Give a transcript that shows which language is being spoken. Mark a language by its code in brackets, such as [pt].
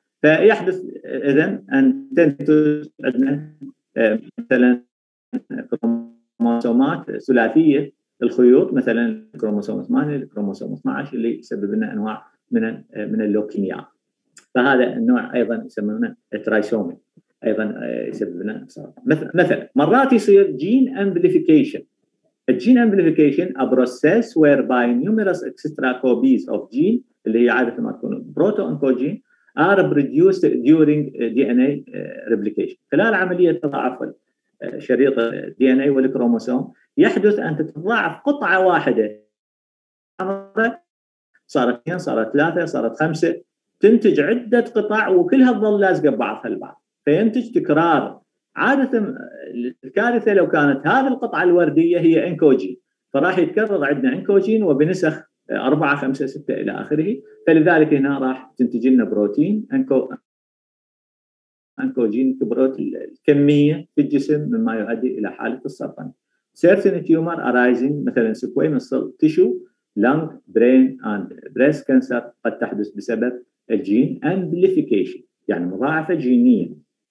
[ar] فيحدث إذن أن تنتج مثلا كروموسومات ثلاثية الخيوط، مثلا الكروموسوم 8 الكروموسوم 12 اللي يسبب لنا أنواع من اللوكيميا. فهذا النوع أيضا يسمونه الترايسومي، أيضا يسبب لنا مثلا مرات يصير جين أمبليفيكيشن. [en] الجين amplification a process whereby numerous extra copies of gene [ar] اللي هي عادة ما تكون [en] Proto oncogene are produced during DNA replication. [ar] خلال عملية تضاعف شريط DNA والكروموسوم يحدث أن تتضاعف قطعة واحدة، صارت 2 صارت 3 صارت 5، تنتج عدة قطع وكلها تظل لازقة ببعضها البعض، فينتج تكرار. عادة الكارثة لو كانت هذه القطعة الوردية هي إنكوجين، فراح يتكرر عندنا إنكوجين وبنسخ 4 5 6 إلى آخره، فلذلك هنا راح تنتج لنا بروتين إنكوجين كبرت الكمية في الجسم مما يؤدي إلى حالة السرطان. [en] Certain tumor arising [ar] مثلا [en] squamous cell tissue, lung, brain and breast cancer [ar] قد تحدث بسبب الجين [en] amplification، [ar] يعني مضاعفة جينية.